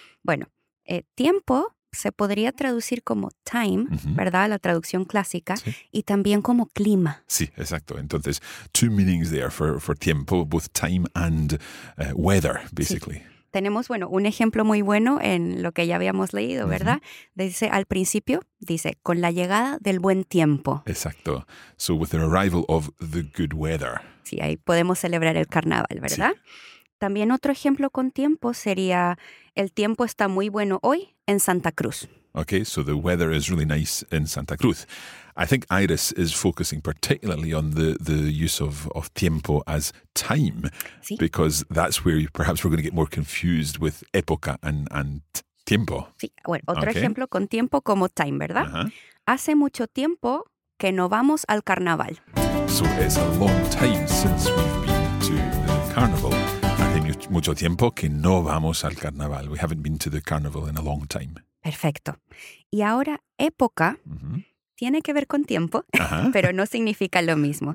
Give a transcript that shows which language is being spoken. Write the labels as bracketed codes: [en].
[es] Bueno, tiempo se podría traducir como time, ¿verdad? La traducción clásica. Sí. Y también como clima. Sí, exacto. [en] Entonces, two meanings there for tiempo, both time and weather, basically. [es] Sí. Tenemos, bueno, un ejemplo muy bueno en lo que ya habíamos leído, ¿verdad? Uh-huh. Dice, al principio, dice, con la llegada del buen tiempo. Exacto. [en] So, with the arrival of the good weather. [es] Sí, ahí podemos celebrar el carnaval, ¿verdad? Sí. También otro ejemplo con tiempo sería, el tiempo está muy bueno hoy en Santa Cruz. [en] Okay, so the weather is really nice in Santa Cruz. I think Iris is focusing particularly on the use of tiempo as time, [es] ¿sí? [en] Because that's where perhaps we're going to get more confused with época and tiempo. [es] Sí, bueno, otro ejemplo con tiempo como time, ¿verdad? Uh-huh. Hace mucho tiempo que no vamos al carnaval. [en] So it's a long time since we've been to the carnival. And [es] mucho tiempo que no vamos al carnaval. [en] We haven't been to the carnival in a long time. [es] Perfecto. Y ahora, época tiene que ver con tiempo, pero no significa lo mismo.